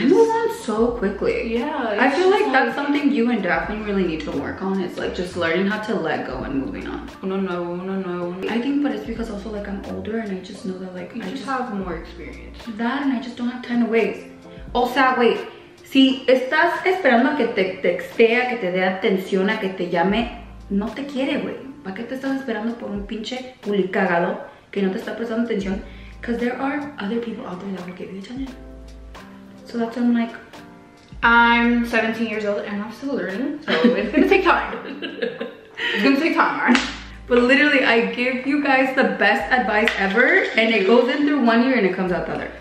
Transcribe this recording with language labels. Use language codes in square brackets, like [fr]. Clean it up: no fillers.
[en] I move on so quickly. Yeah. I feel like that's something you and Daphne really need to work on. It's like just learning how to let go and moving on. No. I think, but it's because also like I'm older and I just know that like... I just have more experience. That and I just don't have time to waste. Also, wait. [es] Si estás esperando que te textea, que te dé atención, a que te llame, no te quiere, güey. ¿Para qué te estás esperando por un pinche culicagado que no te está prestando atención? [en] Because there are other people out there that will give you attention. So that's when I'm like, I'm 17 years old and I'm still learning. So it's gonna take time. It's gonna take time, right? But literally, I give you guys the best advice ever. And it goes in through one ear and it comes out the other.